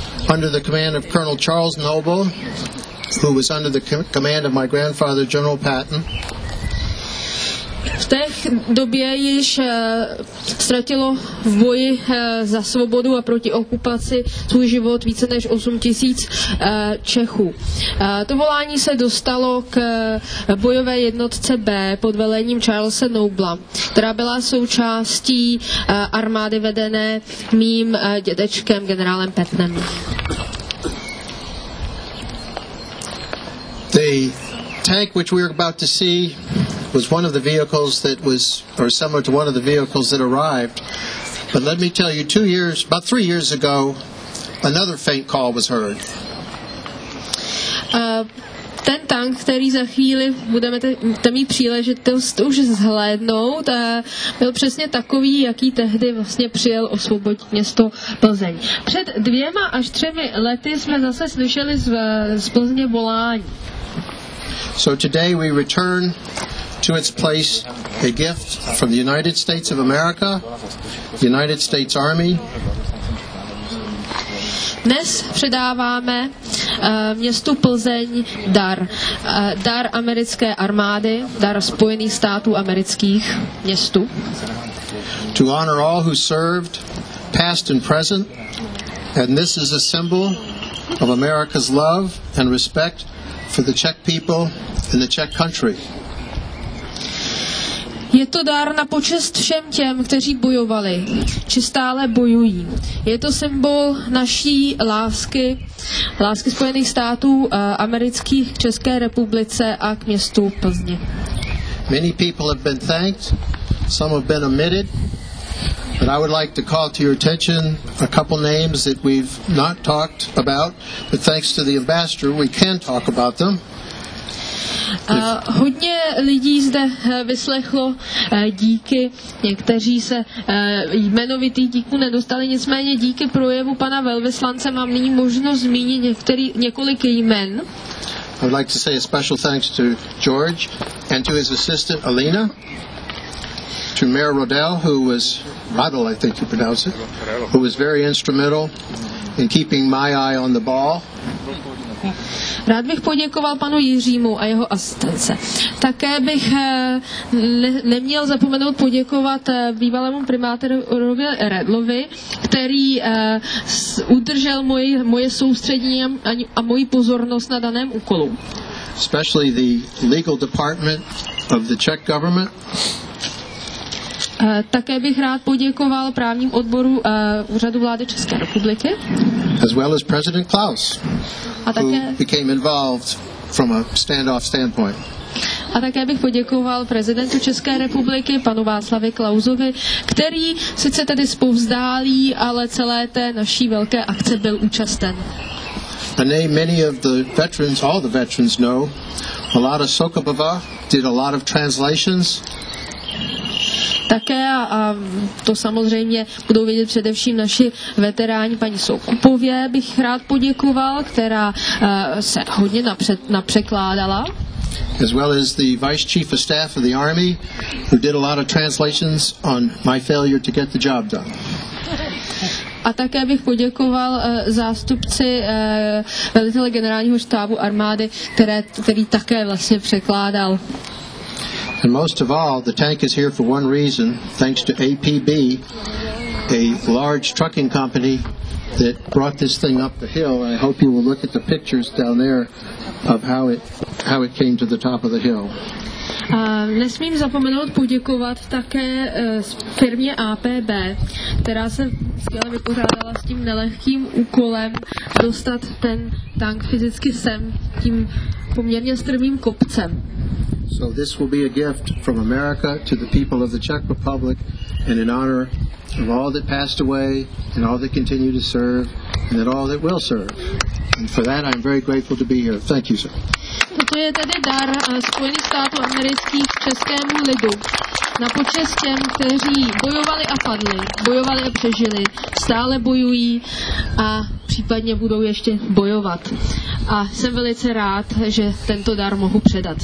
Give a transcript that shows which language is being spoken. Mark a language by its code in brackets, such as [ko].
[en] Under the command of Colonel Charles Noble, who was under the command of my grandfather, General Patton. [cs] V té době již ztratilo v boji za svobodu a proti okupaci svůj život více než 8,000 Čechů. To volání se dostalo k bojové jednotce B pod velením Charlesa Nobla, která byla součástí armády vedené mým dědečkem, generálem Pattonem. [en] The tank which we were about to see was one of the vehicles that was, or similar to one of the vehicles that arrived. But let me tell you, about three years ago, another faint call was heard. [cs] Ten tank, který za chvíli budeme tam mít příležitost už zhlédnout, byl přesně takový, jaký tehdy vlastně přijel osvobodit město Plzeň. Před 2 až 3 lety jsme zase slyšeli z Plzně volání. [en] So today we return to its place, a gift from the United States of America, the United States Army. [cs] Dnes předáváme městu Plzeň dar. Dar americké armády, dar Spojených států amerických městu. [en] To honor all who served, past and present, and this is a symbol of America's love and respect for the Czech people and the Czech country. [cs] Je to dar na počest všem těm, kteří bojovali, či stále bojují. Je to symbol naší lásky, lásky Spojených států amerických k České republice a k městu Plzni. [en] Many people have been thanked, some have been omitted, but I would like to call to your attention a couple names that we've not talked about, but thanks to the ambassador we can talk about them. [cs] Hodně lidí zde vyslechlo díky, někteří se jmenovitých díků nedostali, nicméně díky projevu pana velvyslance mám nyní možnost zmínit několik jmen. [en] I would like to say a special thanks to George and to his assistant Alina, to Mayor Rodel, who was, Rodel, I think you pronounce it, who was very instrumental in keeping my eye on the ball. [cs] Rád bych poděkoval panu Jiřímu a jeho asistence. Také bych neměl zapomenout poděkovat bývalému primátorovi Redlovi, který udržel moje soustředění a moji pozornost na daném úkolu. [en] Especially the legal department of the Czech government. [cs] Také bych rád poděkoval právním odboru úřadu vlády České republiky. [en] As well as President Klaus, [cs] také, [en] who became involved from a standoff standpoint. [cs] A také bych poděkoval prezidentu České republiky, panu Václavi Klausovi, který sice tady spouzdálí, ale celé té naší velké akce byl účasten. [en] A name many of the veterans, all the veterans know, a lot of Sokobava did a lot of translations. [cs] Také, a to samozřejmě budou vědět především naši veteráni, paní Soukupově bych rád poděkoval, která se hodně napřekládala. [en] As well as the vice chief of staff of the army, who did a lot of translations on my failure to get the job done. [cs] A také bych poděkoval zástupci velitele generálního štábu armády, který také vlastně překládal. [en] And most of all, the tank is here for one reason, thanks to APB, a large trucking company that brought this thing up the hill. I hope you will look at the pictures down there of how it came to the top of the hill. [cs] Nesmím zapomenout poděkovat také firmě APB, která se skvěle vypořádala s tím nelehkým úkolem dostat ten tank fyzicky sem tím poměrně strmým kopcem. [en] So this will be a gift from America to the people of the Czech Republic and in honor of all that passed away and all that continue to serve and that all that will serve. And for that I'm very grateful to be here. Thank you, sir. [cs] Toto je tedy dar Spojených států amerických českému lidu na počest těm, kteří bojovali a padli, bojovali a přežili, stále bojují a případně budou ještě bojovat. A jsem velice rád, že tento dar mohu předat.